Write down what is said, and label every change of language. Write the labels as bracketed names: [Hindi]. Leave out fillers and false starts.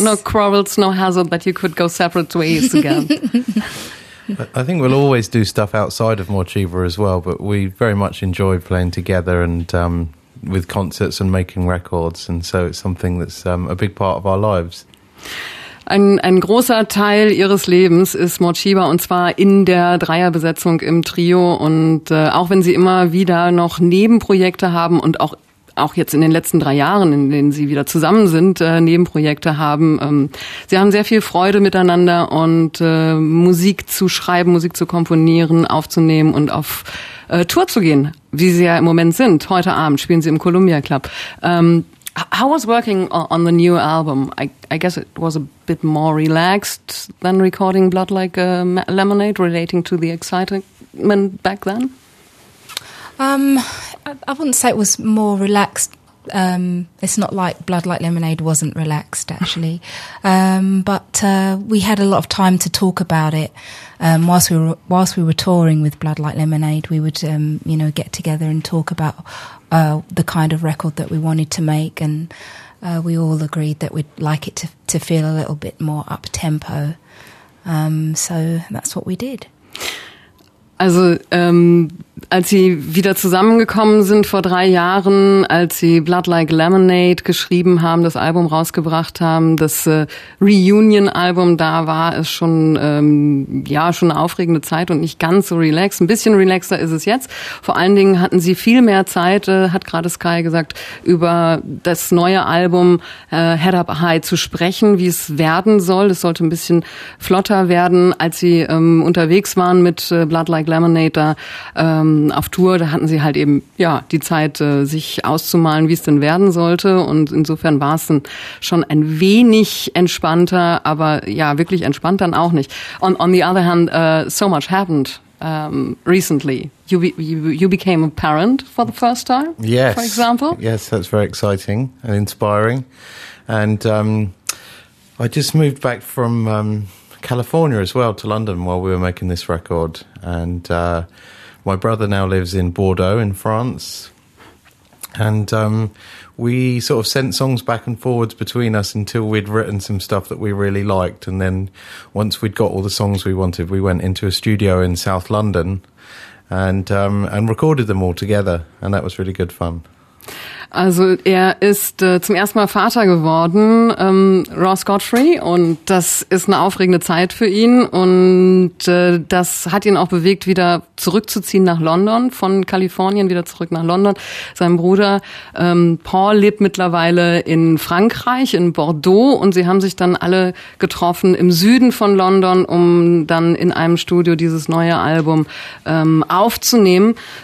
[English] No quarrels, no hassle that you could go separate ways again. I think we'll always do stuff outside of Mod Sheba as well, but we very much enjoy playing together and with concerts and making records, and so it's something that's a big part of our lives. [German] Ein großer Teil ihres Lebens ist Mod Sheba, und zwar in der Dreierbesetzung im Trio. Und auch wenn sie immer wieder noch Nebenprojekte haben und auch jetzt in den letzten 3 Jahren, in denen sie wieder zusammen sind, Nebenprojekte haben, sie haben sehr viel Freude miteinander und Musik zu schreiben, Musik zu komponieren, aufzunehmen und auf Tour zu gehen, wie sie ja im Moment sind. Heute Abend spielen sie im Columbia Club. [English] How was working on the new album? I guess it was a bit more relaxed than recording Blood Like Lemonade, relating to the excitement back then? I wouldn't say it was more relaxed. It's not like Blood Like Lemonade wasn't relaxed, actually. But we had a lot of time to talk about it. Whilst we were touring with Blood Like Lemonade, we would, get together and talk about the kind of record that we wanted to make. And we all agreed that we'd like it to feel a little bit more up-tempo. So that's what we did. [German] Also als sie wieder zusammengekommen sind vor 3 Jahren, als sie Blood Like Lemonade geschrieben haben, das Album rausgebracht haben, das Reunion-Album, da war es schon schon eine aufregende Zeit und nicht ganz so relaxed. Ein bisschen relaxter ist es jetzt. Vor allen Dingen hatten sie viel mehr Zeit, hat gerade Sky gesagt, über das neue Album Head Up High zu sprechen, wie es werden soll. Es sollte ein bisschen flotter werden, als sie unterwegs waren mit Blood Like Lemonade auf Tour. Da hatten sie halt eben die Zeit, sich auszumalen, wie es denn werden sollte. Und insofern war es dann schon ein wenig entspannter, aber ja, wirklich entspannt dann auch nicht. [English] Und on the other hand, so much happened recently. You became a parent for the first time. Yes, for example. Yes, that's very exciting and inspiring. And I just moved back from California as well to London while we were making this record, and my brother now lives in Bordeaux in France, and we sort of sent songs back and forwards between us until we'd written some stuff that we really liked, and then once we'd got all the songs we wanted, we went into a studio in South London and recorded them all together, and that was really good fun. [German] Also er ist zum ersten Mal Vater geworden, Ross Godfrey, und das ist eine aufregende Zeit für ihn, und das hat ihn auch bewegt, wieder zurückzuziehen nach London, von Kalifornien wieder zurück nach London. Sein Bruder Paul lebt mittlerweile in Frankreich, in Bordeaux, und sie haben sich dann alle getroffen im Süden von London, um dann in einem Studio dieses neue Album aufzunehmen.